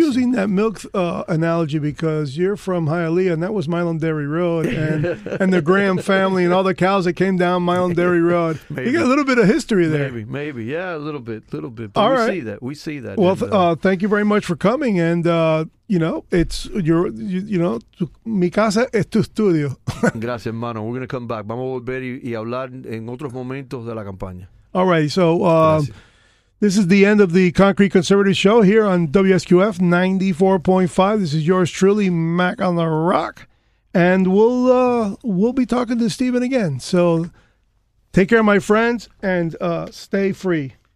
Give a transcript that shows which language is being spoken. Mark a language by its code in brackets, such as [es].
[en] Using that milk analogy because you're from Hialeah, and that was Milan Dairy Road, and and the Graham family and all the cows that came down Milan Dairy Road. Maybe. You got a little bit of history there. Maybe. Yeah, a little bit. But see that. We see that. Well, thank you very much for coming, and, you know, it's your, you know, [es] mi casa es tu estudio. Gracias, hermano. [en] We're going to come back. [es] Vamos a volver y hablar en otros momentos de la campaña. [en] All right, so... this is the end of the Concrete Conservative Show here on WSQF 94.5. This is yours truly, Mac on the Rock. And we'll be talking to Steven again. So take care, my friends, and stay free.